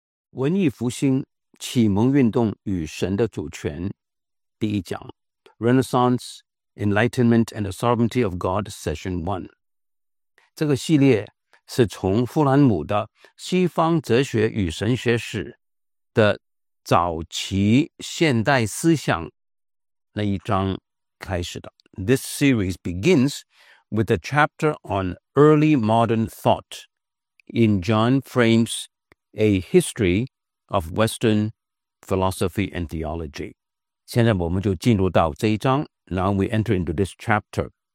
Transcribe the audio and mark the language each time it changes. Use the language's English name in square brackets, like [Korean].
[Chinese] 文艺复兴、启蒙运动与神的主权，第一讲 [English] ，Renaissance, Enlightenment and the Sovereignty of God, Session One。 [Chinese] 这个系列是从弗兰姆的《西方哲学与神学史》的早期现代思想那一章开始的。 [English] This series begins with a chapter on early modern thought in John Frame's A History of Western Philosophy and Theology. [Chinese] 现在我们就进入到这一章。 [English] Now we enter into this chapter.